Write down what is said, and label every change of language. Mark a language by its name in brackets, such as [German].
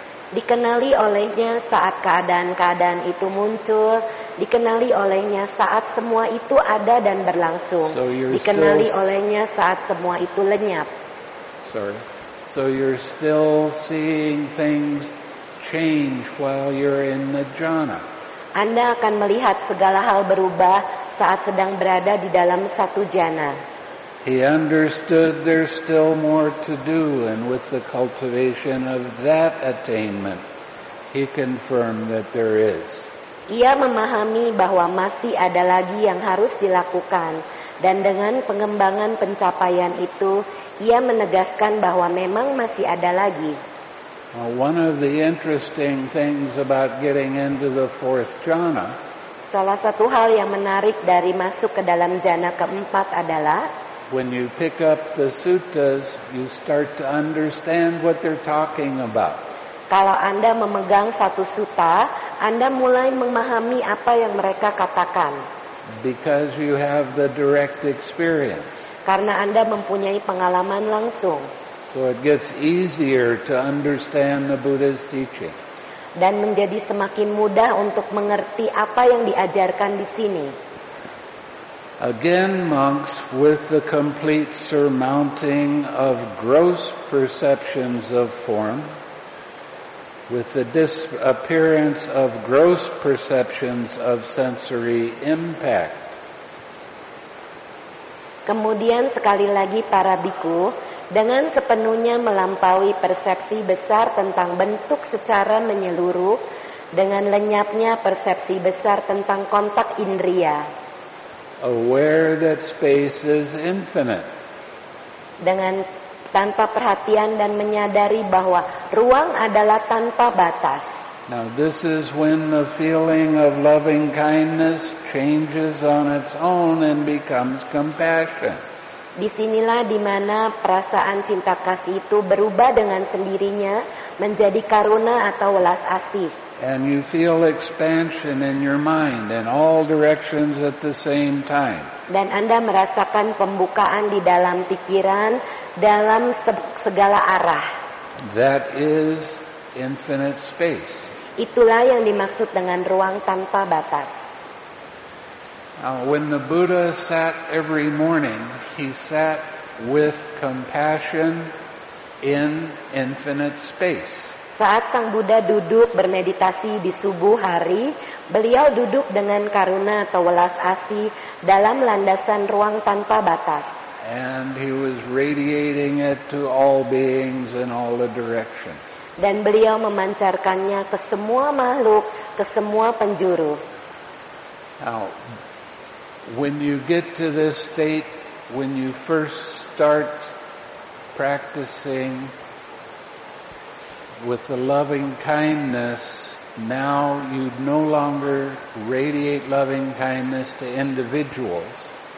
[Indonesian] Dikenali olehnya saat keadaan-keadaan itu muncul, dikenali olehnya saat semua itu ada dan berlangsung, dikenali olehnya saat semua itu lenyap. [English] Sorry. So you're still seeing things change while you're in the jhana. [Indonesian] Anda akan melihat segala hal berubah saat sedang berada di dalam satu jhana. [English] He understood there's still more to do, and with the cultivation of that attainment, he confirmed that there is. [Indonesian] Ia memahami bahwa masih ada lagi yang harus dilakukan, dan dengan pengembangan pencapaian itu, ia menegaskan bahwa memang masih ada lagi. [English] Well, one of the interesting things about getting into the fourth jhana. [Indonesian] Salah satu hal yang menarik dari masuk ke dalam jhana keempat adalah. [English] When you pick up the suttas, you start to understand what they're talking about. [Indonesian] Kalau Anda memegang satu sutta, Anda mulai memahami apa yang mereka katakan. [English] Because you have the direct experience. [Indonesian] Karena Anda mempunyai pengalaman langsung. [English] So it gets easier to understand the Buddha's teaching. [Indonesian] Dan menjadi semakin mudah untuk mengerti apa yang diajarkan di sini. [English] Again, monks with the complete surmounting of gross perceptions of form, with the disappearance of gross perceptions of sensory impact. [Indonesian] Kemudian sekali lagi para bhikkhu, dengan sepenuhnya melampaui persepsi besar tentang bentuk secara menyeluruh, dengan lenyapnya persepsi besar tentang kontak indria. [English] Aware that space is infinite. [Indonesian] Dengan tanpa perhatian dan menyadari bahwa ruang adalah tanpa batas. [English] Now this is when the feeling of loving kindness changes on its own and becomes compassion. [Indonesian] Disinilah di mana perasaan cinta kasih itu berubah dengan sendirinya menjadi karuna atau welas asih. [English] And you feel expansion in your mind in all directions at the same time. [Indonesian] Dan Anda merasakan pembukaan di dalam pikiran dalam segala arah. [English] That is infinite space. [Indonesian] Itulah yang dimaksud dengan ruang tanpa batas. [English] Now, when the Buddha sat every morning, he sat with compassion in infinite space. [Indonesian] Saat Sang Buddha duduk bermeditasi di subuh hari, beliau duduk dengan karuna atau welas asih dalam landasan ruang tanpa batas. [English] And he was radiating it to all beings in all the directions. [Indonesian] Dan beliau memancarkannya ke semua makhluk, ke semua penjuru. [English] Now, when you get to this state, when you first start practicing with the loving kindness, now you no longer radiate loving kindness to individuals.